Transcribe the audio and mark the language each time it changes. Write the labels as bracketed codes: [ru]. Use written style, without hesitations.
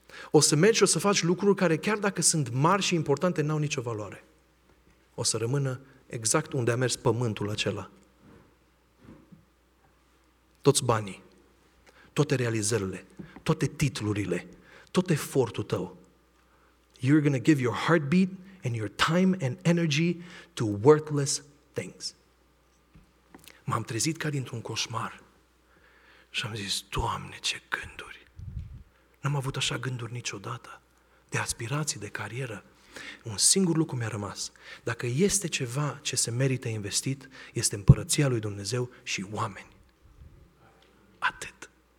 [ro] O să mergi și o să faci lucruri care chiar dacă sunt mari și importante, n-au nicio valoare. O să rămână exact unde a mers pământul acela. Toți banii, toate realizările, toate titlurile, tot efortul tău. [en] You're going to give your heartbeat and your time and energy to worthless things. [ro] M-am trezit ca dintr-un coșmar și am zis, Doamne, ce gânduri! N-am avut așa gânduri niciodată, de aspirații, de carieră. Un singur lucru mi-a rămas. Dacă este ceva ce se merită investit, este împărăția lui Dumnezeu și oameni. Atât.